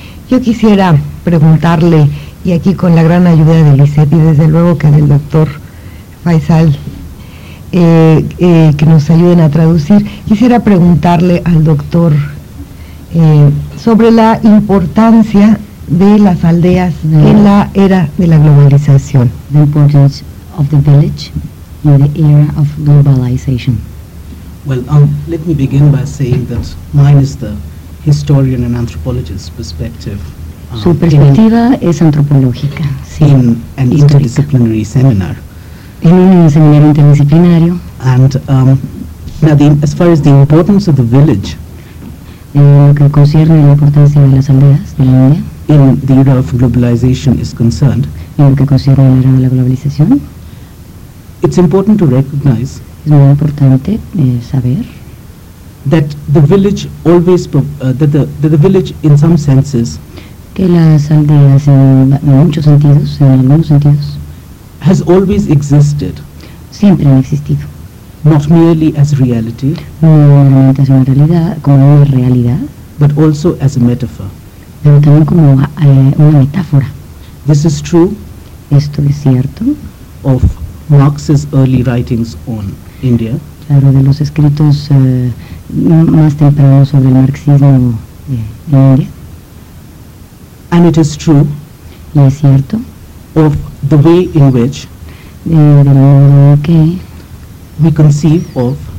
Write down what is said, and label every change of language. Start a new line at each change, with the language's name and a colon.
Spanish: Yo quisiera preguntarle, y aquí con la gran ayuda de Lisette y desde luego que del doctor Faisal, que nos ayuden a traducir, quisiera preguntarle al doctor sobre la importancia de las aldeas en la era de la globalización.
English: The importance of the village in the era of globalization. Well, let me begin by saying that mine is the historian and anthropologist perspective.
Spanish: Su perspectiva es antropológica, sí,
English: in an interdisciplinary seminar.
Spanish: En un seminario interdisciplinario.
English: And now, as far as the importance of the village,
Spanish: lo que concierne la importancia de las aldeas de la India,
English: in the era of globalization is concerned,
Spanish: en lo que concierne la era de la globalización,
English: it's important to recognize,
Spanish: es muy importante saber,
English: that the village always that the village in some senses,
Spanish: que las aldeas en muchos sentidos, en algunos sentidos,
English: has always existed,
Spanish: siempre han existido,
English: not merely as reality,
Spanish: no solamente como una realidad,
English: but also as a metaphor,
Spanish: pero también como una metáfora.
English: This is true,
Spanish: esto es cierto,
English: of Marx's early writings on India.
Spanish: Claro, de los escritos más tempranos sobre el marxismo en India.
English: And it is true,
Spanish: y es cierto,
English: of the way in which we conceive of,